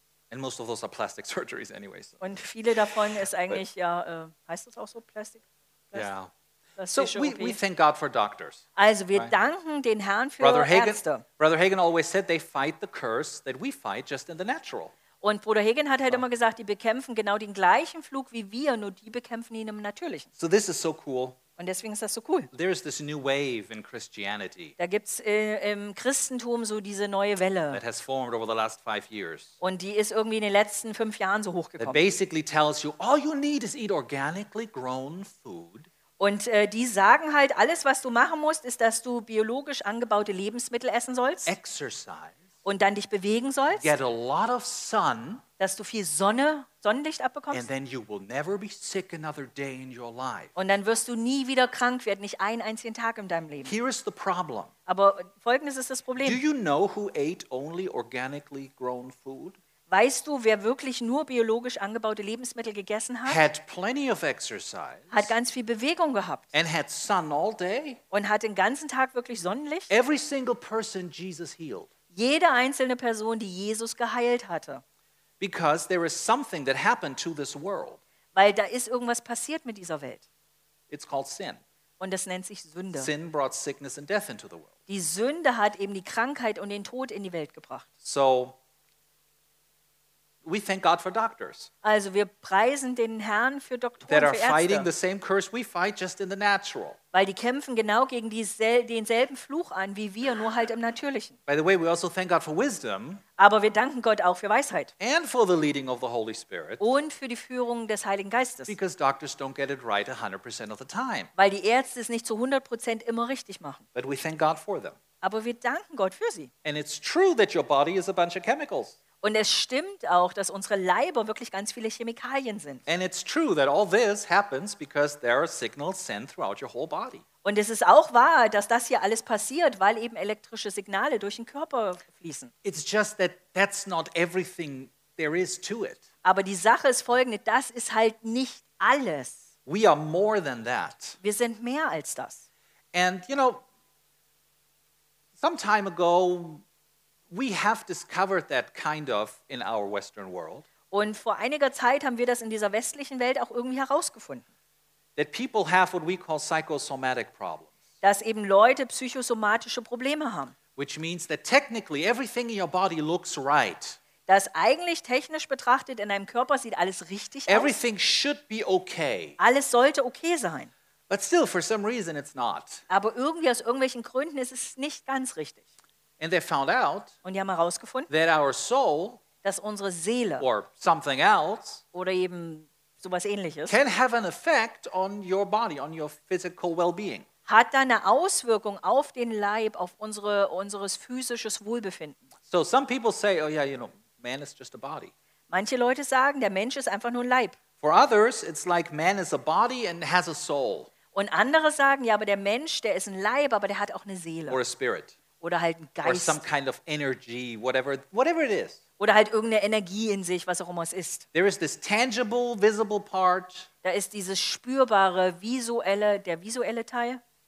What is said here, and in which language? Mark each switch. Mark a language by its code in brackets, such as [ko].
[en] And most of those are plastic surgeries anyway. So. [de] Und viele davon ist eigentlich, but, ja, heißt das auch so, Plastik? [en] Yeah. So we thank God for doctors. [de] Also wir danken den Herrn für Brother Hagen, Ärzte. [en] Brother Hagen always said they fight the curse that we fight just in the natural. [de] Und Bruder Hagen hat halt immer gesagt, die bekämpfen genau den gleichen Flug wie wir, nur die bekämpfen ihn im Natürlichen. [en] So this is so cool. [de] Und deswegen ist das so cool. [en] There is this new wave in Christianity. [de] Da gibt's im Christentum so diese neue Welle. [en] That has formed over the last 5 years. [de] Und die ist irgendwie in den letzten 5 Jahren so hochgekommen. [en] That basically tells you all you need is eat organically grown food. [de] Und die sagen halt, alles was du machen musst, ist, dass du biologisch angebaute Lebensmittel essen sollst. [en] Exercise. [de] Und dann dich bewegen sollst. [en] Get a lot of sun. [de] Dass du viel Sonnenlicht abbekommst. Und dann wirst du nie wieder krank werden, nicht einen einzigen Tag in deinem Leben. [en] Here is the problem. [de] Aber folgendes ist das Problem. [en] Do you know who ate only organically grown food? [de] Weißt du, wer wirklich nur biologisch angebaute Lebensmittel gegessen hat? [en] Had plenty of exercise. [de] Hat ganz viel Bewegung gehabt. [en] And had sun all day. [de] Und hat den ganzen Tag wirklich Sonnenlicht. [en] Every single person Jesus healed. [de] Jede einzelne Person, die Jesus geheilt hatte. [en] Because there is something that happened to this world. [de] Weil da ist irgendwas passiert mit dieser Welt. [en] It's called sin. [de] Und das nennt sich Sünde. [en] Sin brought sickness and death into the world. [de] Die Sünde hat eben die Krankheit und den Tod in die Welt gebracht. [en] So, We thank God for doctors. [de] Also wir preisen den Herrn für Doktoren, für Ärzte. [en] That are fighting the same curse we fight, just in the natural. [de] Weil die kämpfen genau gegen denselben Fluch an wie wir, nur halt im Natürlichen. [en] By the way, we also thank God for wisdom. [de] Aber wir danken Gott auch für Weisheit. [en] And for the leading of the Holy Spirit. [de] Und für die Führung des Heiligen Geistes. [en] Because doctors don't get it right 100% of the time. [de] Weil die Ärzte es nicht zu 100% immer richtig machen. [en] But we thank God for them. [de] Aber wir danken Gott für sie. [en] And it's true that your body is a bunch of chemicals. [de] Und es stimmt auch, dass unsere Leiber wirklich ganz viele Chemikalien sind. [en] And it's true that all this happens because there are signals sent throughout your whole body. [de] Und es ist auch wahr, dass das hier alles passiert, weil eben elektrische Signale durch den Körper fließen. [en] It's just that that's not everything there is to it. [de] Aber die Sache ist folgende, das ist halt nicht alles. [en] We are more than that. [de] Wir sind mehr als das. [en] And you know, some time ago we have discovered that kind of in our Western world. [de] Und vor einiger Zeit haben wir das in dieser westlichen Welt auch irgendwie herausgefunden. [en] That people have what we call psychosomatic problems. [de] Dass eben Leute psychosomatische Probleme haben. [en] Which means that technically everything in your body looks right. [de] Dass eigentlich technisch betrachtet in deinem Körper sieht alles richtig aus. [en] Everything should be okay. [de] Alles sollte okay sein. [en] But still, for some reason, it's not. [de] Aber irgendwie aus irgendwelchen Gründen ist es nicht ganz richtig. [en] And they found out [de] und die haben herausgefunden, [en] that our soul, [de] dass unsere Seele [en] or something else, [de] oder eben sowas Ähnliches, [en] can have an effect on your body, on your physical well-being. [de] Hat da eine Auswirkung auf den Leib, auf unseres physisches Wohlbefinden. [en] So some people say, oh yeah, you know, man is just a body. [de] Manche Leute sagen, der Mensch ist einfach nur ein Leib. [en] For others, it's like man is a body and has a soul. [de] Und andere sagen, ja, aber der Mensch, der ist ein Leib, aber der hat auch eine Seele. [en] Or a spirit. [de] Oder halt ein Geist. [en] Or some kind of energy, whatever it is. [de] Oder halt irgendeine Energie in sich, was auch immer es ist. [en] There is this tangible, visible part. [de] Da ist dieses spürbare, visuelle, der visuelle Teil.